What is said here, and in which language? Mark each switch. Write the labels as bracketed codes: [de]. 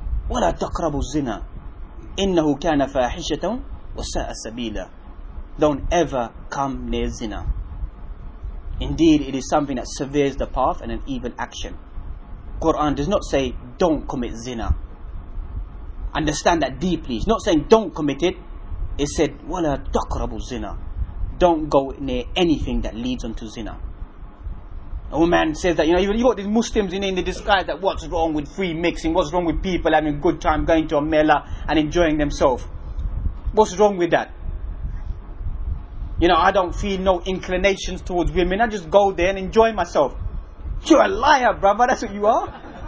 [ar] وَلَا تَقْرَبُوا الزِّنَا إِنَّهُ كَانَ فَاحِشَةً وَسَاءَ سَبِيلًا. [en] Don't ever come near zina. Indeed, it is something that severs the path and an evil action. Quran does not say, don't commit zina. Understand that deeply. It's not saying don't commit it. It said, [ar] وَلَا تَقْرَبُوا الزِّنَا. [en] Don't go near anything that leads onto zina. A woman says that, you know, you've got these Muslims in the disguise that what's wrong with free mixing? What's wrong with people having a good time going to a mela and enjoying themselves? What's wrong with that? You know, I don't feel no inclinations towards women. I just go there and enjoy myself. You're a liar, brother. That's what you are.